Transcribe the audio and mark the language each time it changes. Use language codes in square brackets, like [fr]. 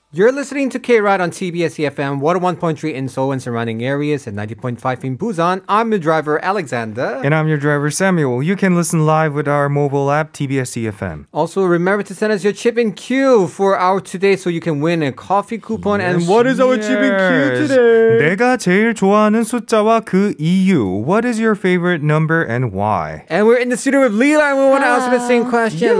[en] You're listening to K-Ride on TBS EFM, 101.3 in Seoul and surrounding areas, and 90.5 in Busan. I'm your driver, Alexander. And I'm your driver, Samuel. You can listen live with our mobile app, TBS EFM. Also, remember to send us your chip and cue for our today so you can win a coffee coupon. Yes, and what is our chip and cue today? [ko] 내가 제일 좋아하는 숫자와 그 이유. [en] What is your favorite number and why? And we're in the studio with Leila, and we want to ask the same question.